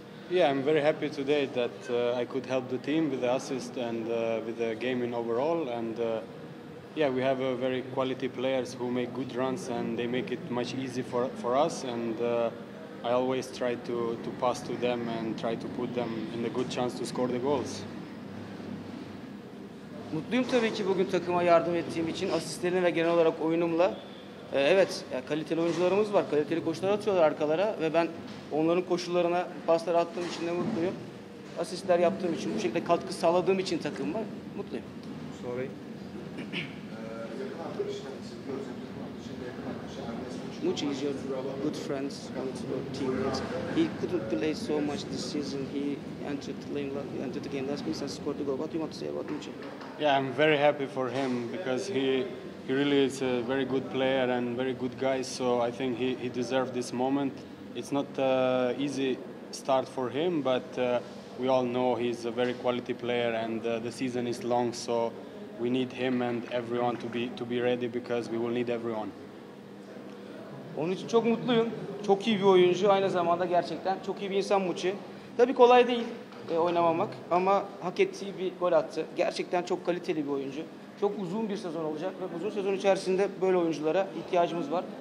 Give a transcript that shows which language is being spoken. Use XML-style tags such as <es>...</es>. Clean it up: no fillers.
<en>Yeah, I'm very happy today that I could help the team with the assist and with the game in overall. And yeah, we have a very quality players who make good runs and they make it much easier for us. And I always try to pass to them and try to put them in the good chance to score the goals.</en> <tr>Mutluyum tabii ki bugün takıma yardım ettiğim için asistlerine ve genel olarak oyunumla. Evet, kaliteli oyuncularımız var. Kaliteli koşular atıyorlar arkalara ve ben onların koşullarına paslar attığım için de mutluyum. Asistler yaptığım için, bu şekilde katkı sağladığım için takımıma mutluyum.</tr> <en>Sorry. Mucci is your good friend, one of your teammates. He couldn't play so much this season. He entered the game last week and scored the goal. What do you want to say about Mucci? Yeah, I'm very happy for him because he really is a very good player and very good guy. So I think he deserved this moment. It's not an easy start for him, but we all know he's a very quality player and the season is long. So we need him and everyone to be ready because we will need everyone.</en> <tr>Onun için çok mutluyum. Çok iyi bir oyuncu. Aynı zamanda gerçekten çok iyi bir insan Mucci. Tabii kolay değil oynamamak ama hak ettiği bir gol attı. Gerçekten çok kaliteli bir oyuncu. Çok uzun bir sezon olacak ve uzun sezon içerisinde böyle oyunculara ihtiyacımız var.</tr>